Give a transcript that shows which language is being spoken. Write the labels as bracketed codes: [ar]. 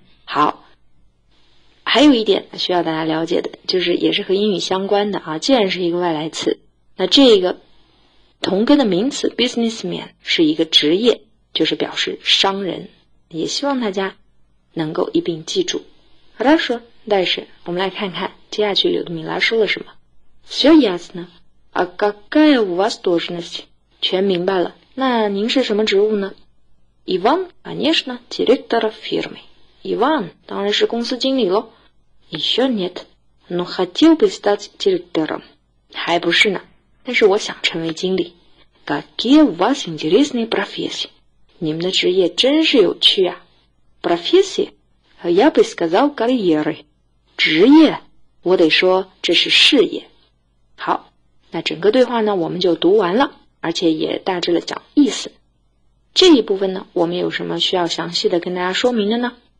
[zh] 好，还有一点需要大家了解的，就是也是和英语相关的啊，既然是一个外来词，那这个同根的名词 businessman 是一个职业，就是表示商人，也希望大家能够一并记住。 [ru] Хорошо, дальше, [zh] 我们来看看接下去柳德米拉说了什么。 [ru] Все ясно. А какая у вас должность? [zh] 全明白了，那您是什么职务呢？ [ru] Иван, конечно, директор фирмы. [zh] Иван, 当然是公司经理咯。 [ru] Еще нет, но хотел бы стать директором. [zh] 还不是呢。但是我想成为经理。 [ru] Какие у вас интересные профессии? [zh] 你们的职业真是有趣啊。 [ru] Профессии? Я бы сказал карьеры. [zh] 职业？我得说这是事业。好，那整个对话呢，我们就读完了，而且也大致的讲意思。这一部分呢，我们有什么需要详细的跟大家说明的呢？